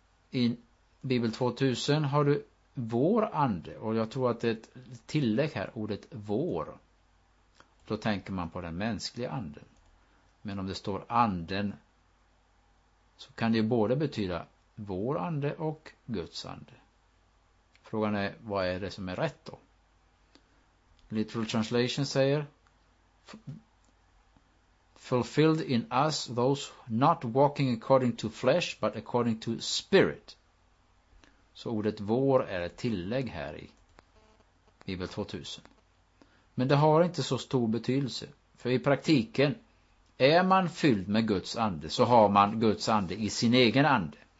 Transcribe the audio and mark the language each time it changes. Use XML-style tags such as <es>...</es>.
<sv>I Bibel 2000 har du vår ande och jag tror att det är ett tillägg här, ordet vår. Då tänker man på den mänskliga anden. Men om det står anden så kan det ju både betyda vår ande och Guds ande. Frågan är, vad är det som är rätt då?</sv> <en>Literal translation säger fulfilled in us those not walking according to flesh but according to spirit.</en> <sv>Så ordet vår är ett tillägg här i Bibel 2000. Men det har inte så stor betydelse. För i praktiken är man fylld med Guds ande så har man Guds ande i sin egen ande.</sv>